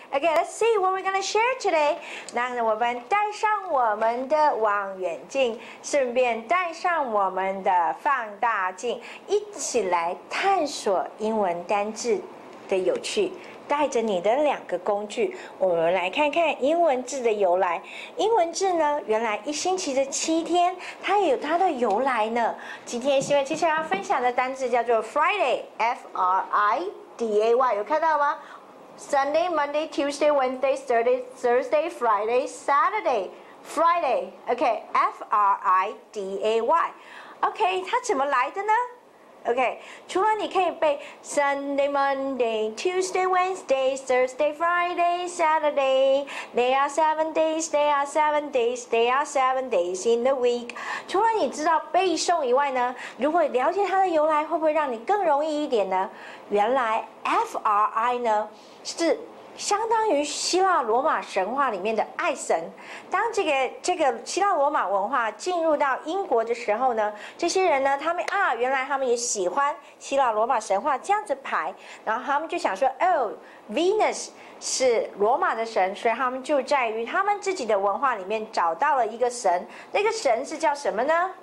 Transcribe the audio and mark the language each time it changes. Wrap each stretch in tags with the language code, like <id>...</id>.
<en>Okay, let's see what we're going to share today.</en> <zh>那我们带上我们的望远镜，顺便带上我们的放大镜，一起来探索英文单字的有趣。带着你的两个工具，我们来看看英文字的由来。英文字呢，原来一星期的七天，它也有它的由来呢。今天希望接下来要分享的单字叫做 Friday，F-R-I-D-A-Y， 有看到吗 ？Sunday、Monday、Tuesday、Wednesday、Thursday、Friday、Saturday、Friday，OK，F-R-I-D-A-Y，OK，、okay, 它怎么来的呢？</zh> <en>OK，</en> <zh>除了你可以背</zh> <en>Sunday, Monday, Tuesday, Wednesday, Thursday, Friday, Saturday, There are 7 days, there are 7 days, there are 7 days in the week.</en> <zh>除了你知道背诵以外呢，如果了解它的由来，会不会让你更容易一点呢？原来 FRI 呢是相当于希腊罗马神话里面的爱神。当这个希腊罗马文化进入到英国的时候呢，这些人呢，他们啊，原来他们也喜欢希腊罗马神话这样子排，然后他们就想说，哦 ，Venus 是罗马的神，所以他们就在于他们自己的文化里面找到了一个神，那个神是叫什么呢？</zh>